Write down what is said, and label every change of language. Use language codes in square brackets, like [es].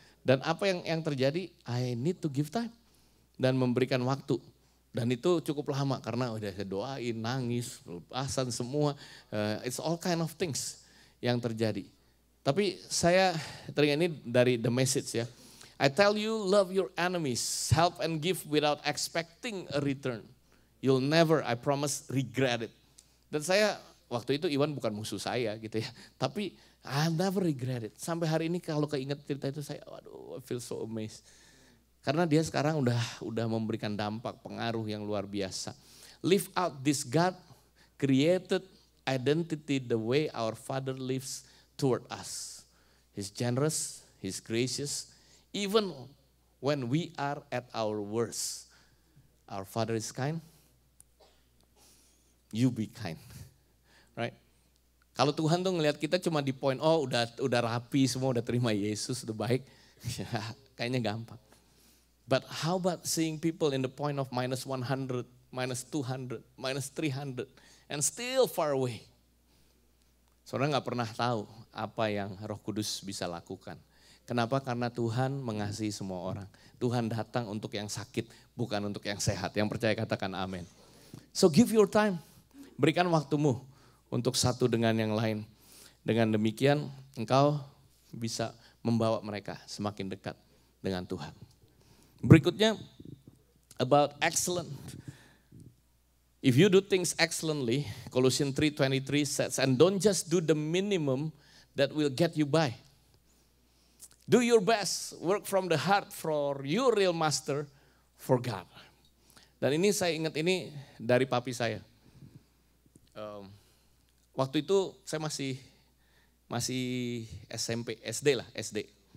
[id] Dan apa yang terjadi, [en] I need to give time. [id] Dan memberikan waktu. Dan itu cukup lama karena udah saya doain, nangis, pelepasan semua. [en] It's all kind of things [id] yang terjadi. Tapi saya teringat ini dari The Message ya. [en] I tell you, love your enemies, help and give without expecting a return. You'll never, I promise, regret it. [id] Dan saya, waktu itu Iwan bukan musuh saya gitu ya. Tapi, [en] I'll never regret it. [id] Sampai hari ini kalau keinget cerita itu saya, waduh, [en] I feel so amazed. [id] Karena dia sekarang udah memberikan dampak, pengaruh yang luar biasa. [en] Live out this God created identity the way our Father lives toward us. He's generous, He's gracious. Even when we are at our worst, our Father is kind. You be kind, right? [id] Kalau Tuhan tuh ngelihat kita cuma di point, oh udah rapi semua, udah terima Yesus, udah baik, kayaknya gampang. [en] But how about seeing people in the point of minus 100, minus 200, minus 300, and still far away? [id] Soalnya gak pernah tahu apa yang Roh Kudus bisa lakukan. Kenapa? Karena Tuhan mengasihi semua orang. Tuhan datang untuk yang sakit, bukan untuk yang sehat. Yang percaya katakan amin. [en] So give your time. [id] Berikan waktumu untuk satu dengan yang lain. Dengan demikian, engkau bisa membawa mereka semakin dekat dengan Tuhan. Berikutnya, [en] about excellent. If you do things excellently, Colossians 3:23 says, and don't just do the minimum that will get you by. Do your best, work from the heart for your real master, for God. [id] Dan ini saya ingat ini dari papi saya. Waktu itu saya masih SMP, SD lah, SD.